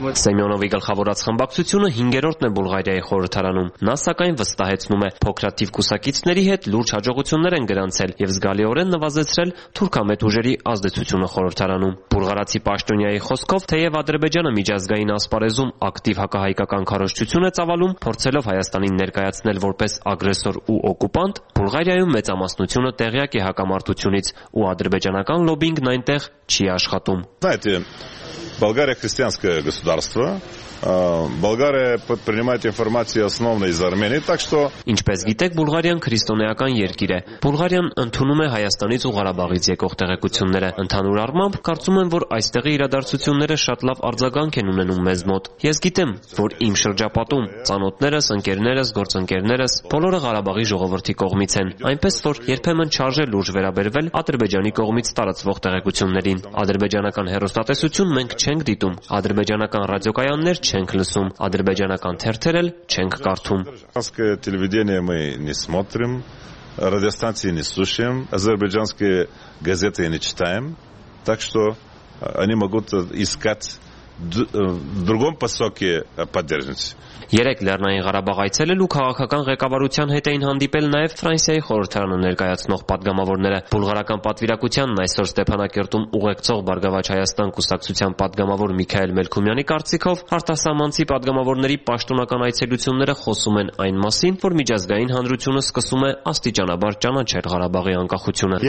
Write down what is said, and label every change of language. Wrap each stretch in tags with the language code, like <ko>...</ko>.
<hy>Սեմյոնովի գլխավորած խմբակցությունը 5-րդն է Բուլղարիայի խորհրդարանում, նա սակայն վստահեցնում է, փոքրատիվ կուսակիցների հետ լուրջ հաջողություններ են գրանցել եւ զգալիորեն նվազեցրել թուրքամետ ուժերի ազդեցությունը խորհրդարանում։ Բուլղարացի պաշտոնյայի խոսքով, թեև Ադրբեջանը միջազգային ասպարեզում ակտիվ հակահայկական քարոշչություն է ցավալում, փորձելով Հայաստանին ներկայացնել որպես ագրեսոր ու օկուպանտ, Բուլղարիայում մեծամասնությունը տեղյակ է հակամարտությունից ու ադրբեջանական լոբինգն այնտեղ չի աշխատում։</hy> <ru>Знаете, Болгария христианское государство. Болгария принимает информацию основной из Армении, так что</ru> <hy>Ինչպես գիտեք, Բուլղարիան քրիստոնեական երկիր է։ Բուլղարիան ընդունում է Հայաստանից ու Ղարաբաղից եկող տեղեկությունները։ Ընդհանուր առմամբ կարծում եմ, որ այստեղի իրադարձությունները շատ լավ արձագանք են ունենում մեզ մոտ։ Ես գիտեմ, որ իմ շրջապատում ծանոթներս, ընկերներս, գործընկերներս բոլորը Ղարաբաղի ժողովրդի կողմից են, այնպես որ երբեմն չարժե լուրջ վերաբերվել Ադրբեջանի կողմից տարածվող տեղեկություններին։ Ադրբեջանական հերոստատեսություն մենք չենք դիտում, ադրբեջանական ռադիոկայաններ չենք լսում, ադրբեջանական թերթեր էլ չենք կարդում։ Ռուսական տելևիդենիա մենք</hy> <ru>не смотрим, радиостанции не слушаем, азербайджанские газеты не читаем, так что они могут искать в другом посоке поддержки.</ru> <hy>Երեք Լեռնային Ղարաբաղ այցելելու քաղաքական ղեկավարության հետ էին հանդիպել նաև Ֆրանսիայի խորհրդարանը ներկայացնող падգամավորները։ Բուլղարական պատվիրակությանն այսօր Ստեփանակերտում ուղեկցող Բարգավաճ Հայաստան կուսակցության падգամավոր Միքայել Մելքումյանի կարծիքով արտասահմանցի падգամավորների պաշտոնական այցելությունները խոսում են այն մասին, որ միջազգային հանրությունը սկսում է աստիճանաբար ճանաչել Ղարաբաղի անկախությունը։</hy>